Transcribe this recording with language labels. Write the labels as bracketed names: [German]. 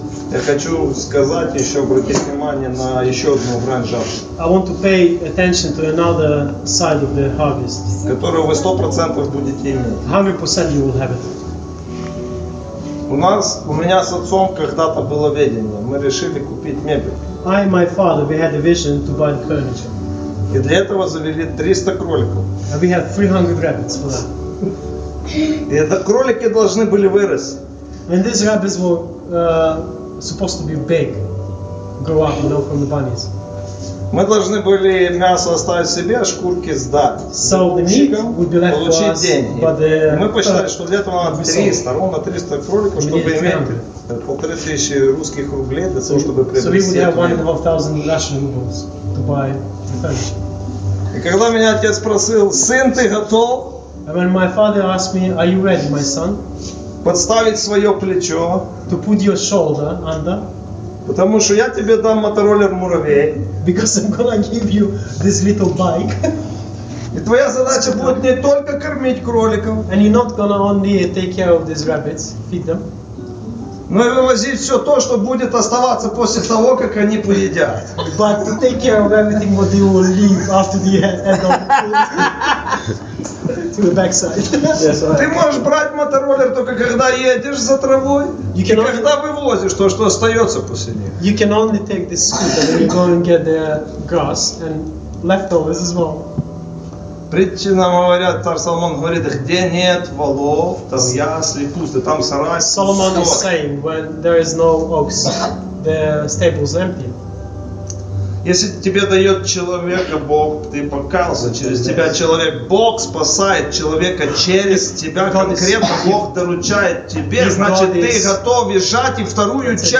[Russian] Я хочу сказать еще, обратить внимание на еще одну грань жатвы. [English] I want to pay attention to another side of the harvest. [Russian] Которую вы 100% будете иметь. [English] 100% you will have it. [Russian] У меня с отцом когда-то было видение. Мы решили купить мебель. [English] I and my father, we had a vision to buy the furniture. [Russian] И для этого завели 300 кроликов. [English] And we had 300 rabbits for that. [Russian] И это кролики должны были вырасти. [English] And these rabbits were supposed to be big, grow up, you know, from the bunnies. [Russian] Мы должны были мясо оставить себе, а шкурки сдать. [English] So the meat would be left for us, but the... [Russian] Мы посчитали, что для этого надо 300, ровно 300 кроликов, чтобы иметь 1500 русских рублей для того, чтобы приобрести. [English] So we would have 1500 Russian rubles to buy the furniture. [Russian] И когда меня отец спросил, сын, ты готов? [English] And when my father asked me, are you ready, my son? [Russian] Подставить свое плечо. [English] To put your shoulder under. [Russian] Потому что я тебе дам мотороллер муравей. [English] Because I'm gonna give you this little bike. [Russian] И твоя задача будет не только кормить кроликов. [English] And you're not gonna only take care of these rabbits, feed them. [Russian] Но и вывозить все то, что будет оставаться после того, как они поедят. [English] But to take care of everything what they will leave after the end of to the backside. Yes, right. [Russian] Ты можешь брать мотороллер только когда едешь за травой. [English] You can only... [Russian] когда вывозишь то, что остается после них. [English] You can only take this scooter when you go and get the grass and leftovers as well. [Russian] Притчи нам говорят, царь Соломон говорит, где нет волов, там ясли, пусто, там сарай, пусто. Solomon is saying, when there is no ox, the stable is empty. Если тебе дает человека Бог, ты покаялся через тебя человек. Бог спасает человека через тебя конкретно. Бог доручает тебе, значит, ты готов езжать и вторую